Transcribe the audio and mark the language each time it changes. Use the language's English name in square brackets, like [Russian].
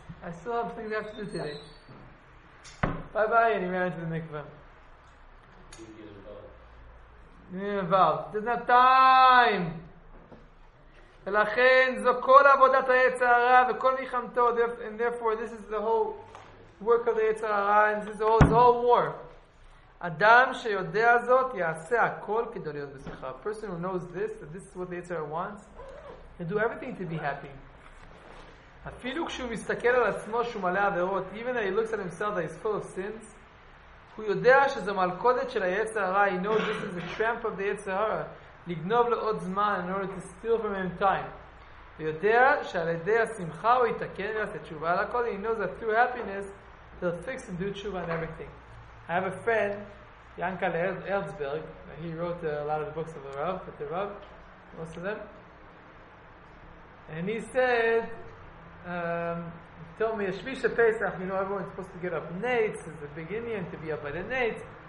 [English] I still have things I have to do today. Bye-bye, and he ran into the mikvah. He didn't get involved. Doesn't have time. [Hebrew] ולכן, זו כל עבודת היצרה וכל מלחמתו, [English] and therefore, this is the whole work of the יצרה, and this is the whole war. [Hebrew] אדם שיודע זאת יעשה הכל כדי להיות בשיחה. [English] A person who knows this, that this is what the יצרה wants, can do everything to be happy. [Hebrew] אפילו כשהוא מסתכל על עצמו שהוא מלא עבירות, [English] even if he looks at himself that he's full of sins, [Hebrew] הוא יודע שזו מלכודת של היצרה. [English] He knows this is the trap of the יצרה, [Hebrew] לגנוב לו עוד זמן [English] in order to steal from him time. [Hebrew] הוא יודע שעל ידי השמחה הוא יתקן ויעשה תשובה על הכל. [English] He knows that through happiness he'll fix and do תשובה on everything. I have a friend, Yankel Erzberg, he wrote a lot of the books of the Rav, but the Rav, most of them. And he said, he told me, Shmish HaPesach, you know, everyone's supposed to get up nates, it's a big Indian to be up by the nates.